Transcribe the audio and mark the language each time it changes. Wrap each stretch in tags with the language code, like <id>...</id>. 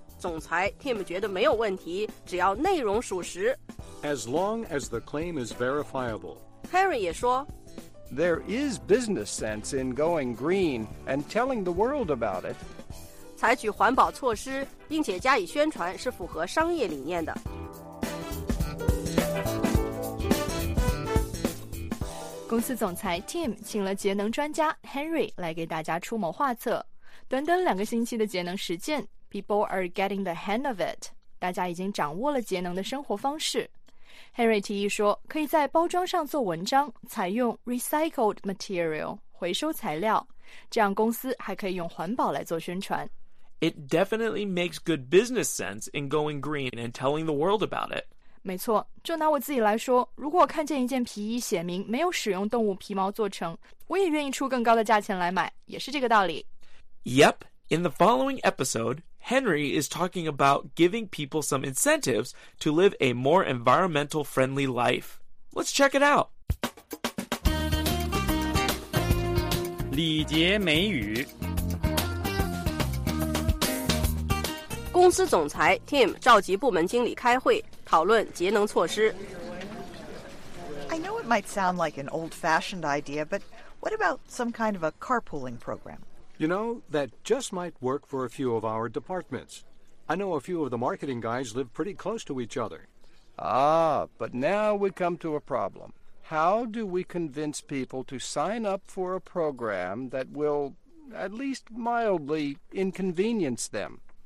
<zh>总裁 Tim 觉得没有问题，只要内容属实。</zh> <en>As long as the claim is verifiable.</en> <zh>Harry 也说</zh> <en>There is business sense in going green and telling the world about it.</en> <zh>采取环保措施并且加以宣传是符合商业理念的。公司总裁 Tim 请了节能专家 Henry 来给大家出谋划策。短短两个星期的节能实践，</zh> <en>People are getting the hang of it，</en> <zh>大家已经掌握了节能的生活方式。 Henry 提议说，可以在包装上做文章，采用</zh> <en>recycled material</en> <zh>回收材料，这样公司还可以用环保来做宣传。</zh> <en>It definitely makes good business sense in going green and telling the world about it.</en> <zh>没错，就拿我自己来说，如果看见一件皮衣写明没有使用动物皮毛做成，我也愿意出更高的价钱来买，也是这个道理。</zh> <en>Yep, in the following episode, Henry is talking about giving people some incentives to live a more environmental friendly life. Let's check it out.</en> <zh>礼节美语公司总裁 Tim 召集部门经理开会，讨论节能措施。</zh> <en>I know it might sound like an old-fashioned idea, but what about some kind of a carpooling program? You know, that just might work for a few of our departments. I know a few of the marketing guys live pretty close to each other. Ah, but now we come to a problem. How do we convince people to sign up for a program that will at least mildly inconvenience them?</en>